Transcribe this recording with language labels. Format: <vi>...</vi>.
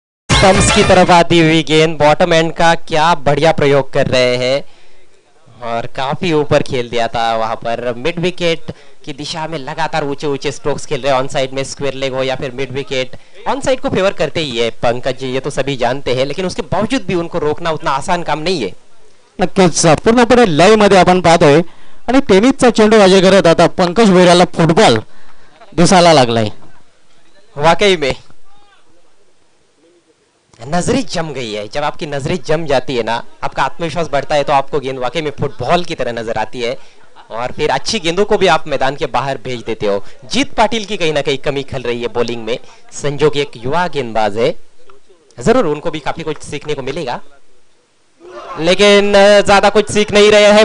<hi>Stumps की तरफ आती हुई गेंद, बॉटम एंड का क्या बढ़िया प्रयोग कर रहे हैं और काफी ऊपर खेल दिया था वहां पर, मिड विकेट की दिशा में लगातार ऊंचे ऊंचे स्ट्रोक्स खेल रहे हैं। ऑन साइड में स्क्वेयर लेग हो या फिर मिड विकेट, ऑन साइड को फेवर करते ही है पंकज जी, ये तो सभी जानते हैं, लेकिन उसके बावजूद भी उनको रोकना उतना आसान काम नहीं है।</hi> <mr>पूर्णपणे लय मध्ये आपण पाहतोय आणि टेनिसचा चेंडू वाजे करत आता पंकज भुईराला फुटबॉल दिसायला लागलाय।</mr> <hi>वाकई में नजरें जम गई है, जब आपकी नजरें जम जाती है ना, आपका आत्मविश्वास बढ़ता है, तो आपको गेंद वाकई में फुटबॉल की तरह नजर आती है और फिर अच्छी गेंदों को भी आप मैदान के बाहर भेज देते हो। जीत पाटिल की कहीं ना कहीं कमी खल रही है बॉलिंग में, संजोग एक युवा गेंदबाज है, जरूर उनको भी काफी कुछ सीखने को मिलेगा, लेकिन ज्यादा कुछ सीख नहीं रहे हैं।</hi>